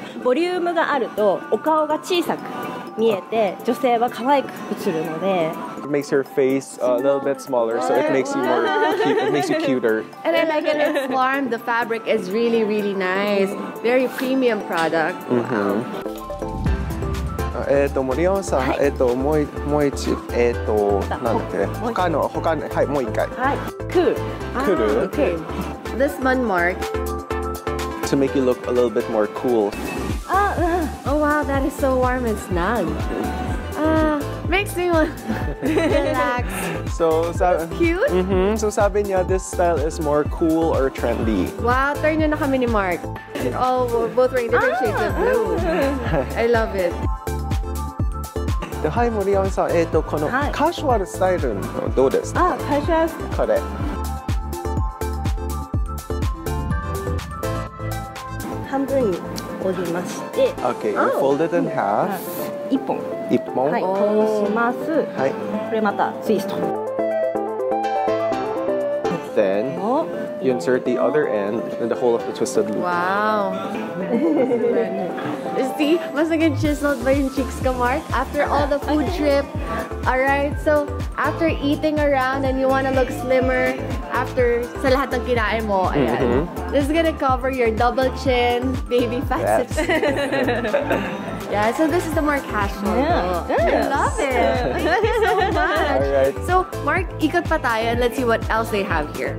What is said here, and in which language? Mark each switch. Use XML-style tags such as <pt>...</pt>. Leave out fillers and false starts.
<ja>ボリュームがあるとお顔が小さく見えて、女性は可愛く映るので。</ja> <en>It makes her face a little bit smaller, so it makes you more cute, it makes you cuter. And I like it, it's warm, the fabric is really, really nice. Very premium product. Mm-hmm.</en> <ja>森山さん、もう一度、なんて、他の、はい、もう一回。はい、クール。クール？クール。</ja> <en>This one mark. To make you look a little bit more cool. Oh wow, that is so warm and snug. Makes me want relax. Cute? Mm-hmm. So</en> <tl>sabi niya,</tl> <en>this style is more cool or trendy. Wow, turn</en> <tl>na kami ni</tl> <en>Mark. We're both wearing different shades of blue. I love it.</en> <ja>はい、森山さん、このカジュアルスタイルのどうですか？あ、カジュアルこれ。半分に折りまして、 Okay, you fold it in half. 一本。一本。はい、通します。はい。これまたツイスト。</ja> <en>Then you insert the other end and the whole of the twisted loop. Wow. See,</en> <tl>mas naging</tl> <en>chiseled</en> <tl>ba yung</tl> <en>cheeks</en> <tl>ka,</tl> <en>Mark? After all the food trip. All right. So after eating around and you wanna look slimmer. After</en> <tl>sa lahat ng kinain mo, ayan. Mm-hmm.</tl> <en>This is gonna cover your double chin, baby facets. Yes. Yeah, so this is the more casual. Yeah, yes. I love it. Thank you so much. All right. So, Mark,</en> <tl>ikot pa tayo</tl> <en>and let's see what else they have here.</en>